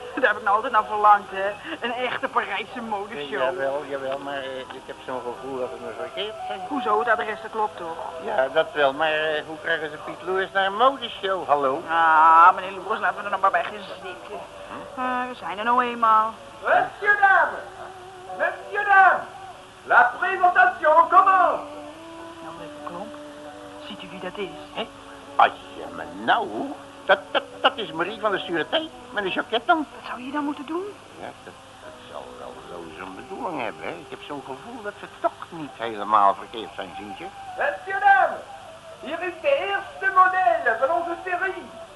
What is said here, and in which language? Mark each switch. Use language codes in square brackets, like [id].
[nl] Daar heb ik nou altijd naar verlangd, hè. Een echte Parijse modeshow. Nee, jawel, maar ik heb zo'n gevoel dat het me verkeerd is. Hoezo, het adres klopt toch? Ja, dat wel, maar hoe krijgen ze Piet Loeres naar een modeshow, hallo? Ah, meneer Loeres, laten we er nog maar bij gaan zitten. We zijn er nou eenmaal. [fr] Messieurs dames, la présentation commence. [nl] Nou, meneer Klomp, ziet u wie dat is? Hé, asje me nou, dat is Marie van de Sûreté, met een jaquet dan. Wat zou je dan moeten doen? Ja, dat zal wel zo zijn bedoeling hebben, hè. Ik heb zo'n gevoel dat ze toch niet helemaal verkeerd zijn, Sintje. [fr] Messieurs dames, [nl] hier is de eerste model van onze serie.